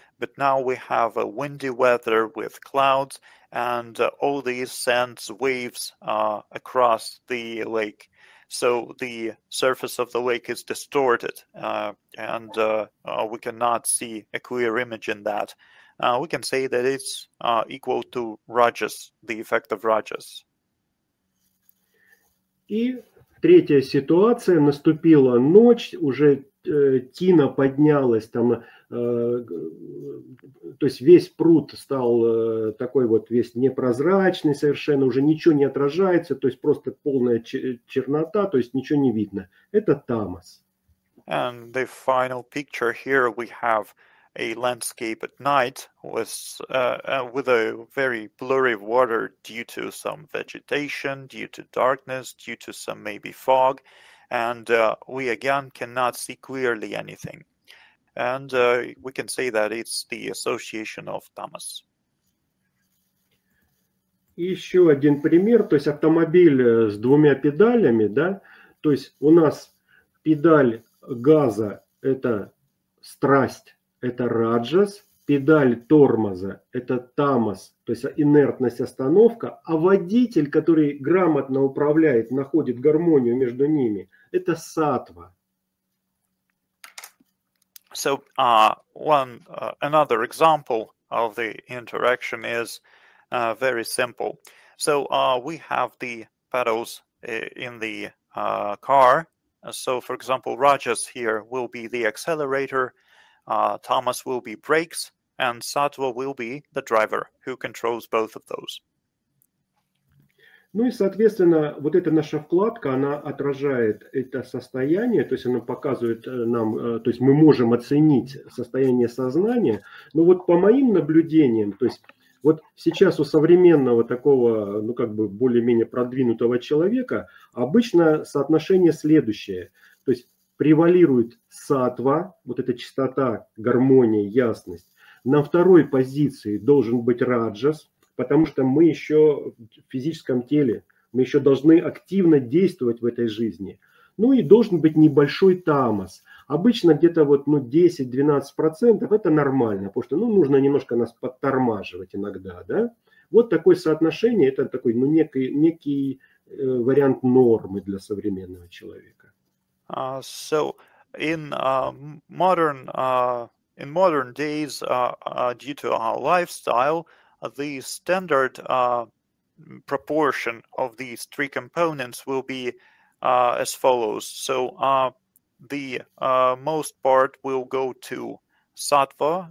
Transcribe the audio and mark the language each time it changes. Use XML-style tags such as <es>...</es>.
<en>But now we have a windy weather with clouds, and all these sends waves across the lake. So the surface of the lake is distorted, we cannot see a clear image in that. We can say that it's equal to rajas, the effect of rajas.</en> <ru>И третья ситуация. Наступила ночь, уже тина поднялась там. То есть весь пруд стал такой вот весь непрозрачный совершенно, уже ничего не отражается, то есть просто полная чернота, то есть ничего не видно. Это тамас.</ru> <en>And the final picture here, we have a landscape at night with a very blurry water due to some vegetation, due to darkness, due to some maybe fog, and we again cannot see clearly anything. And we can say that it's the association of tamas.</en> <ru>Еще один пример, то есть автомобиль с двумя педалями, да? То есть у нас педаль газа – это страсть, это раджас, педаль тормоза – это тамас, то есть инертность, остановка, а водитель, который грамотно управляет, находит гармонию между ними – это сатва.</ru> <en>So another example of the interaction is very simple. So we have the pedals in the car. So for example, rajas here will be the accelerator, tamas will be brakes, and Sattva will be the driver who controls both of those.</en> <ru>Ну и, соответственно, вот эта наша вкладка, она отражает это состояние, то есть она показывает нам, то есть мы можем оценить состояние сознания. Но вот по моим наблюдениям, то есть вот сейчас у современного такого, ну как бы более-менее продвинутого человека, обычно соотношение следующее. То есть превалирует сатва, вот эта чистота, гармония, ясность. На второй позиции должен быть раджас. Потому что мы еще в физическом теле, мы еще должны активно действовать в этой жизни. Ну и должен быть небольшой тамас. Обычно где-то вот, ну, 10-12% это нормально, потому что, ну, нужно немножко нас подтормаживать иногда, да. Вот такое соотношение, это такой, ну, некий вариант нормы для современного человека.</ru> <en>So in modern, in modern days, due to our lifestyle, the standard proportion of these three components will be as follows. So the most part will go to sattva.</en>